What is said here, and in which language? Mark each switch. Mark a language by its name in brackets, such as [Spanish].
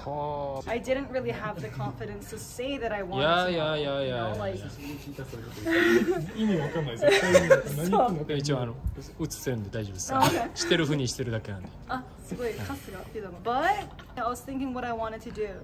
[English] I didn't really have the confidence to say that I wanted to. Yeah. [Japanese] 意味わかんないです。何言ってんの。一応映せるんで大丈夫です。してるふうにしてるだけなんで。あ、すごい、カスがピザの。 [English] But I was thinking what I wanted to do.